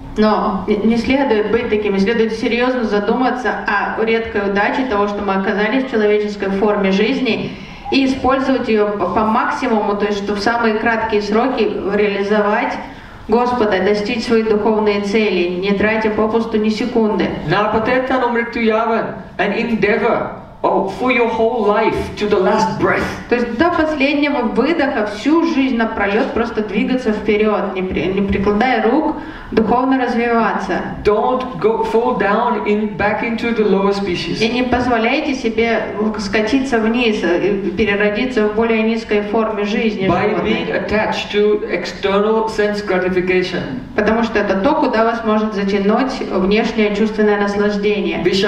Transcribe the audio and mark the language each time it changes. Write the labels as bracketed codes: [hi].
[ru] Но не следует быть таким, следует серьезно задуматься о редкой удаче того, что мы оказались в человеческой форме жизни, и использовать ее по максимуму, то есть что в самые краткие сроки реализовать Господа, достичь свои духовные цели, не тратя попусту ни секунды. [sa] Напатетанамритуяван, [en] an endeavor. Oh, for your whole life to the last breath. [ru] То есть до последнего выдоха всю жизнь напролет просто двигаться вперед, не прикладывая рук, духовно развиваться. [en] Don't go fall down in back into the lower species. [ru] И не позволяйте себе скатиться вниз, переродиться в более низкой форме жизни. [en] By being attached to external sense gratification. [ru] Потому что это то, куда вас может затянуть внешнее чувственное наслаждение.